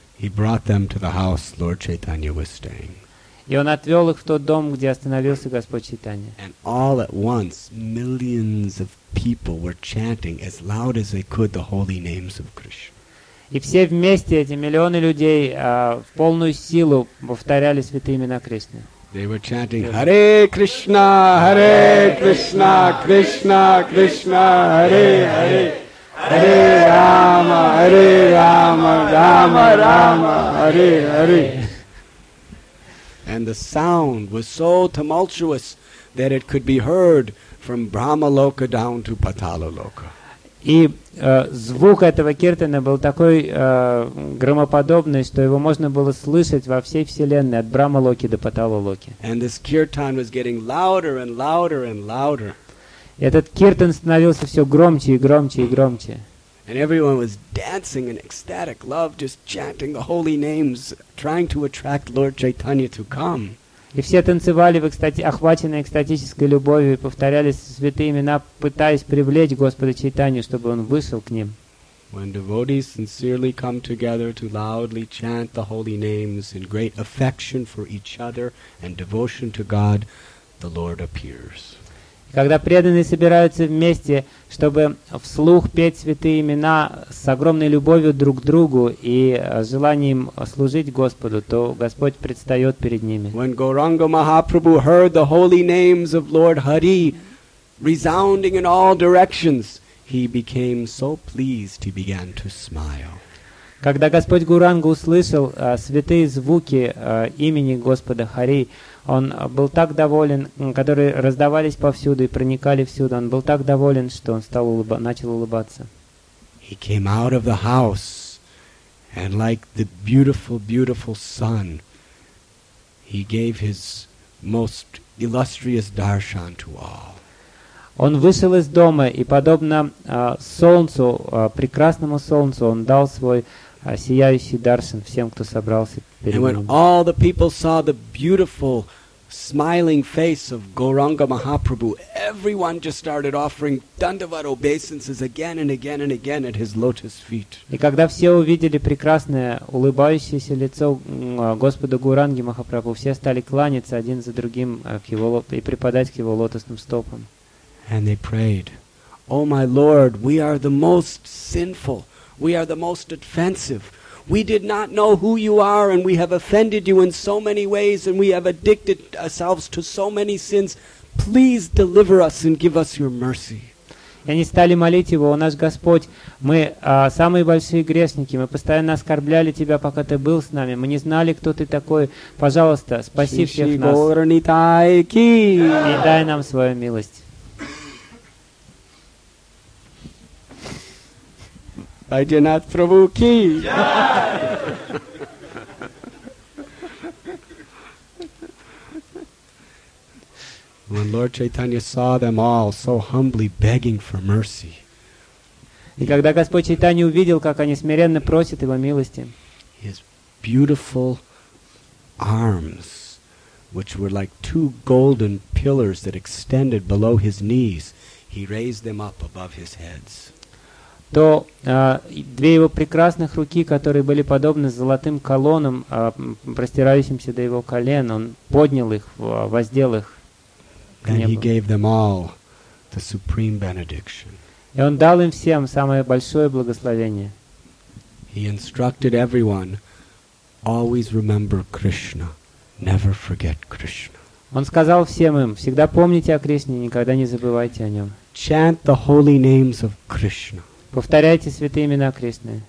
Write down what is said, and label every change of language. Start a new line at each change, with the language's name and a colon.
English: He brought them to the house Lord Chaitanya was staying.
Russian: И он отвел их в тот дом, где остановился Господь Чайтанья.
English: And all at once, millions of people were chanting as loud as they could the holy names of Krishna.
Russian: И все вместе, эти миллионы людей, в полную силу повторяли святые имена Кришны.
English: They were chanting, Hare Krishna, Hare Krishna, Krishna Krishna, Hare Hare, Hare Rama, Hare Rama, Rama Rama, Hare Hare. And the sound was so tumultuous that it could be heard from Brahmaloka down to Pataloloka.
Russian: И звук этого киртана был такой громоподобный, что его можно было слышать во всей вселенной, от Брахмалоки до Паталалоки.
English: And this kirtan was getting louder and louder and louder.
Russian: Этот киртан становился все громче и громче и громче.
English: And everyone was dancing in ecstatic love, just chanting the holy names, trying to attract Lord Chaitanya to come.
Russian: И все танцевали, охваченные экстатической любовью, и повторяли святые имена, пытаясь привлечь Господа Чайтанью, чтобы он вышел к ним.
English: When devotees sincerely come together to loudly chant the holy names in great affection for each other and devotion to God, the Lord appears.
Russian: Когда преданные собираются вместе, чтобы вслух петь святые имена с огромной любовью друг к другу и желанием служить Господу, то Господь предстает перед ними.
English: When Gauranga Mahaprabhu heard the holy names of Lord Hari resounding in all directions, he became so pleased he began to smile.
Russian: Когда Господь Гуранга услышал святые звуки имени Господа Хари, он был так доволен, которые раздавались повсюду и проникали всюду, он был так доволен, что он стал начал улыбаться.
English: He came out of the house, and like the beautiful, beautiful sun, he gave his most illustrious darshan to all.
Russian: Он вышел из дома, и подобно солнцу, прекрасному солнцу, он дал свой сияющий даршан всем, кто собрался перед ним.
English: And when all the people saw the beautiful, smiling face of Gauranga Mahaprabhu, everyone just started offering dandavat obeisances again and again and again at his lotus feet.
Russian: И когда все увидели прекрасное улыбающееся лицо Господа Гуранги Махапрабху, все стали кланяться один за другим к его и припадать к его лотосным стопам.
English: And they prayed, "Oh my Lord, we are the most sinful. We are the most offensive. We did not know who you are, and we have offended you in so many ways, and we have addicted ourselves to so many sins. Please deliver us and give us your mercy."
Russian: И они стали молить его: «О наш Господь, мы самые большие грешники, мы постоянно оскорбляли Тебя, пока Ты был с нами, мы не знали, кто Ты такой, пожалуйста, спаси всех нас и дай нам свою милость».
English: I did not provoke. When Lord Chaitanya saw them all so humbly begging for mercy,
Russian: и когда Господь Чайтанья увидел, как они смиренно просят его милости,
English: his beautiful arms which were like two golden pillars that extended below his knees, he raised them up above his heads.
Russian: То две его прекрасных руки, которые были подобны золотым колоннам, простирающимся до его колен, он поднял их, воздел их к небу.
English: And he gave them all the supreme benediction.
Russian: И он дал им всем самое большое благословение.
English: He instructed everyone, always remember Krishna, never forget Krishna.
Russian: Он сказал всем им, всегда помните о Кришне, никогда не забывайте о нем.
English: Chant the holy names of Krishna.
Russian: Повторяйте святые имена Кришны.